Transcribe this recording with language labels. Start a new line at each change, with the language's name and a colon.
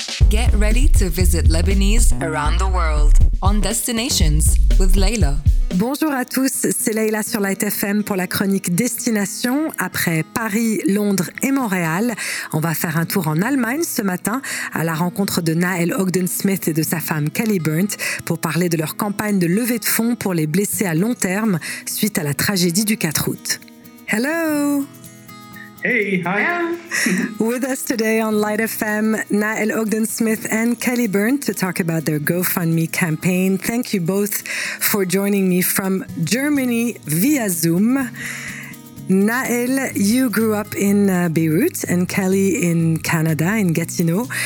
English: Get ready to visit Lebanese around the world on Destinations with Layla.
French: Bonjour à tous, c'est Layla sur Light FM pour la chronique Destination. Après Paris, Londres et Montréal, on va faire un tour en Allemagne ce matin à la rencontre de Nael Ogden-Smith et de sa femme Kelly Burnt pour parler de leur campagne de levée de fonds pour les blessés à long terme suite à la tragédie du 4 août.
English: Hello! Hey, hi. With us today on Light FM, Nael Ogden-Smith and Kelly Burnt to talk about their GoFundMe campaign. Thank you both for joining me from Germany via Zoom. Nael, you grew up in Beirut and Kelly in Canada, in Gatineau.